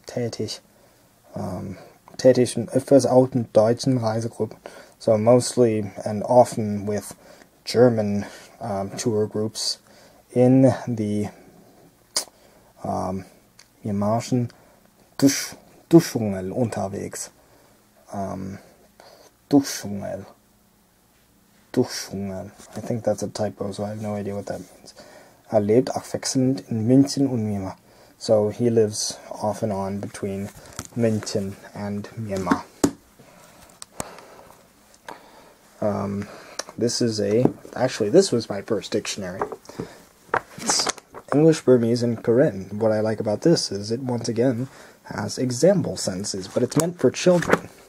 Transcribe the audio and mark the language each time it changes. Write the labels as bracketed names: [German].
[German] Tätig für alten deutschen Reisegruppen. [English] So mostly and often with German tour groups in the [German] Myanmarischen Duschungel unterwegs. [English] Duschungel. I think that's a typo, so I have no idea what that means. [German] Er lebt abwechselnd in München und Myanmar. [English] So he lives off and on between München and Myanmar. This was my first dictionary. It's English, Burmese, and Karen. What I like about this is it once again has example sentences, but it's meant for children.